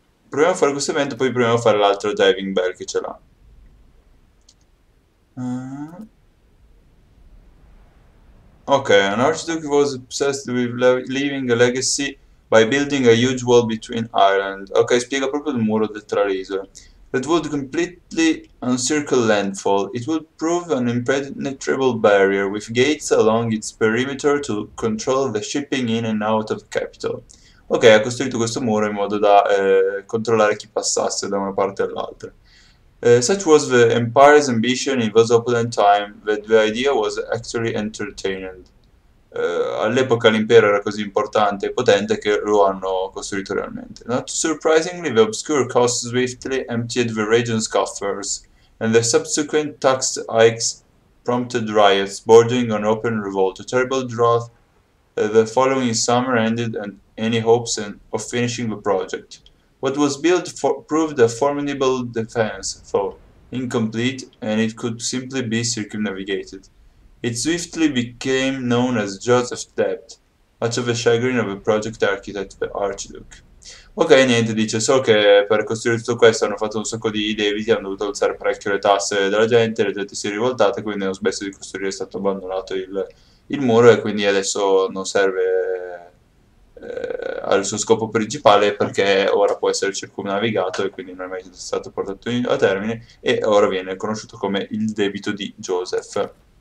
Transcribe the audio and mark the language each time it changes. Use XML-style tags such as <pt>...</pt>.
<it>Proviamo a fare questo evento, poi proviamo a fare l'altro diving bell che ce l'ha.</it> <en>Ok, an archduke was obsessed with leaving a legacy by building a huge wall between islands.</en> <it>Ok, spiega proprio il muro tra le isole.</it> <en>That would completely encircle landfall. It would prove an impenetrable barrier with gates along its perimeter to control the shipping in and out of capital.</en> <it>Ok, ha costruito questo muro in modo da controllare chi passasse da una parte all'altra.</it> <en>Such was the Empire's ambition in those opulent times that the idea was actually entertained.</en> <it>All'epoca l'impero era così importante e potente che lo hanno costruito realmente.</it> <en>Not surprisingly, the obscure coast swiftly emptied the region's coffers, and the subsequent tax hikes prompted riots, bordering on open revolt. A terrible drought the following summer ended any hopes of finishing the project. What was built proved a formidable defense, though incomplete, and it could simply be circumnavigated. It swiftly became known as Joseph's Debt, much of the chagrin of the project architect, the Archduke.</en> <it>Ok, niente, dice solo che per costruire tutto questo hanno fatto un sacco di debiti, hanno dovuto alzare parecchio le tasse della gente, la gente si è rivoltata, quindi hanno smesso di costruire, è stato abbandonato il muro e quindi adesso non serve al suo scopo principale perché ora può essere circumnavigato e quindi non è mai stato portato a termine e ora viene conosciuto come il debito di Joseph.</it>